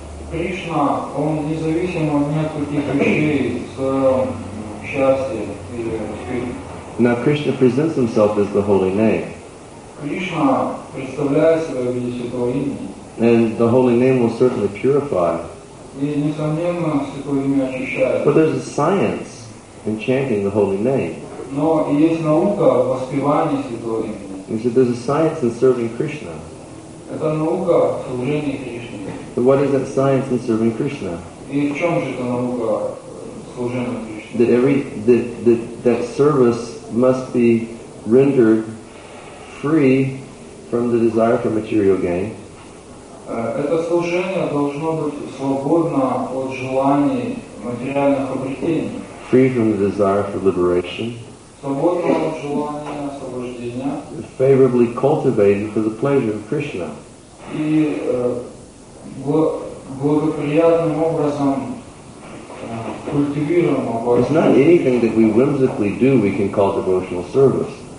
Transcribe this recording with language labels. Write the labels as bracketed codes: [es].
[ru] Krishna, он независим от нескольких вещей, счастья или. [en] Now Krishna presents himself as the holy name. [ru] Krishna представляет себя в виде святого имени. [en] And the holy name will certainly purify. [ru] И несомненно святое имя очищает. [en] But there's a science in chanting the holy name. [ru] Но есть наука в воспевании святого имени. [en] He said there's a science in serving Krishna. [ru] Это наука в служении Кришне. [en] But what is that science in serving Krishna? [ru] И в чем же эта наука в служении Кришне? [en] That service must be rendered free from the desire for material gain. [ru] Это служение должно быть свободно от желаний материальных обретений. [en] Free from the desire for liberation. [ru] Свободно от желания освобождения. [en] Favorably cultivated for the pleasure of Krishna. [ru] И благоприятным образом культивируемо. [en] It's not anything that we whimsically do we can call devotional service.